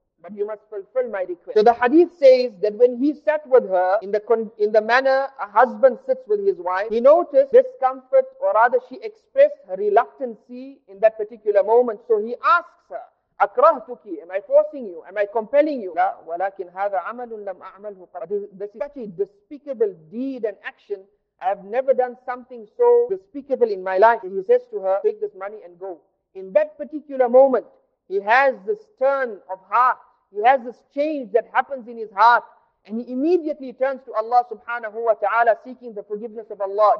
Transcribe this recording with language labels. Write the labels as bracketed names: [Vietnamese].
[English] But you must fulfill my request. So the hadith says that when he sat with her in the manner a husband sits with his wife, he noticed discomfort, or rather she expressed her reluctancy in that particular moment. So he asks her, أكرهتك, am I forcing you? Am I compelling you? [Arabic] لا, ولكن هذا عمل لم أعمله قبل. [English] This is such a despicable deed and action. I have never done something so despicable in my life. And he says to her, take this money and go. In that particular moment, he has this turn of heart. He has this change that happens in his heart. And he immediately turns to Allah subhanahu wa ta'ala, seeking the forgiveness of Allah.